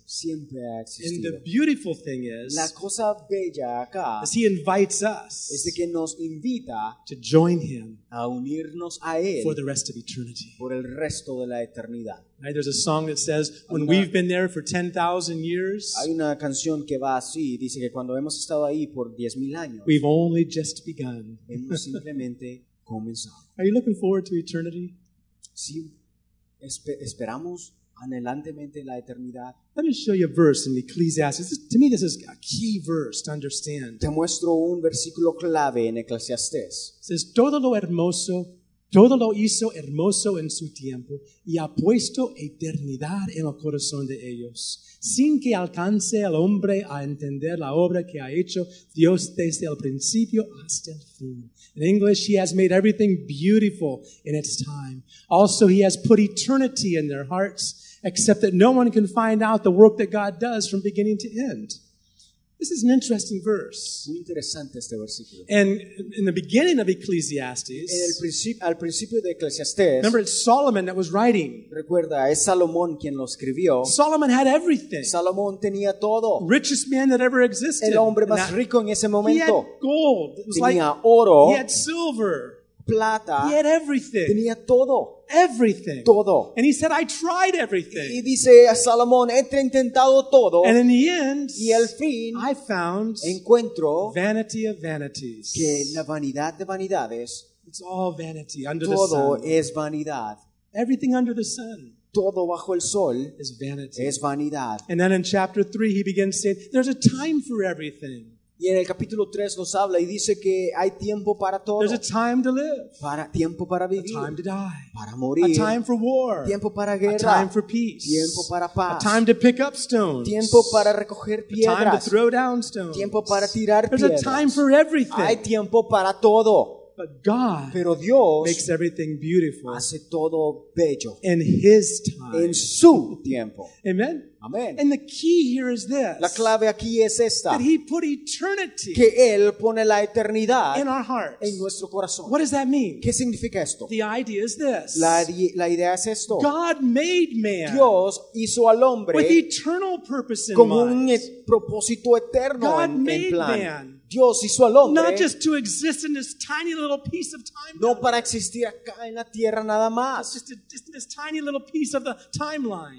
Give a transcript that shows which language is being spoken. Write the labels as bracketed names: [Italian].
[Spanish] Siempre ha existido. [English] And the beautiful thing is, [Spanish] la cosa bella acá [English] is he invites us [Spanish] es de que nos invita [English] to join him [Spanish] a unirnos a él [English] for the rest of eternity. [Spanish] Por el resto de la eternidad. [English] Right? There's a song that says, when we've been there for 10,000 years, [Spanish] hay una canción que va así, dice que cuando hemos estado ahí por 10,000 años, [English] we've only just begun. [Spanish] Hemos simplemente comenzado. [English] Are you looking forward to eternity? [Spanish] Sí, esperamos anhelantemente la eternidad. [English] Let me show you a verse in Ecclesiastes. To me, this is a key verse to understand. [Spanish] Te muestro un versículo clave en Eclesiastés. [English] It says, [Spanish] todo lo hizo hermoso en su tiempo y ha puesto eternidad en el corazón de ellos, sin que alcance el hombre a entender la obra que ha hecho Dios desde el principio hasta el fin. [English] In English, he has made everything beautiful in its time. Also, he has put eternity in their hearts, except that no one can find out the work that God does from beginning to end. This is an interesting verse. [Spanish] Muy interesante este versículo. [English] And in the beginning of Ecclesiastes, [Spanish] al principio de Ecclesiastes, [English] remember it's Solomon that was writing. [Spanish] Recuerda, es Salomón quien lo escribió. [English] Solomon had everything. [Spanish] Salomón tenía todo. [English] Richest man that ever existed. [Spanish] El hombre más rico en ese momento. [English] He had gold. [Spanish] Tenía oro. [English] He had silver. [Spanish] Plata. [English] He had everything. [Spanish] Tenía todo. [English] Everything. [Spanish] Todo. [English] And he said, I tried everything. [Spanish] Y dice a Salomón, he intentado todo. [English] And in the end, [Spanish] y al fin, [English] I found [Spanish] encuentro [English] vanity of vanities. [Spanish] Que la vanidad de vanidades, [English] it's all vanity under [Spanish] todo [English] the sun. [Spanish] Es vanidad. [English] Everything under the sun. [Spanish] Todo bajo el sol [English] is vanity. [Spanish] Es vanidad. [English] And then in chapter 3, he begins saying, there's a time for everything. [Spanish] Y en el capítulo 3 nos habla y dice que hay tiempo para todo. [English] There's a time to live. [Spanish] Para tiempo para vivir. [English] A time to die. [Spanish] Para morir. [English] A time for war. [Spanish] Tiempo para guerra. [English] A time for peace. [Spanish] Tiempo para paz. [English] A time to pick up stones. [Spanish] Tiempo para recoger piedras. [English] A time to throw down stones. [Spanish] Tiempo para tirar [English] There's [Spanish] piedras. [English] A time for everything. [Spanish] Hay tiempo para todo. [English] But God, [Spanish] pero Dios, [English] makes everything beautiful. [Spanish] Hace todo bello. [English] In His time. [Spanish] En su tiempo. [English] Amen. [Spanish] Amen. [English] And the key here is this. [Spanish] La clave aquí es esta. [English] That He put eternity. [Spanish] Que Él pone la eternidad. [English] In our hearts. [Spanish] En nuestro corazón. [English] What does that mean? [Spanish] ¿Qué significa esto? [English] The idea is this. [Spanish] La idea es esto. [English] God made man. [Spanish] Dios hizo al hombre. [English] With eternal purpose in [Spanish] con [English] mind. [Spanish] Con un propósito eterno [English] God [Spanish] en [English] made [Spanish] plan. [English] Man. [Spanish] Dios hizo al hombre, [English] not just to exist in this tiny little piece of time. [Spanish] No para existir acá en la tierra nada más. [English] Just in this tiny little piece of the timeline.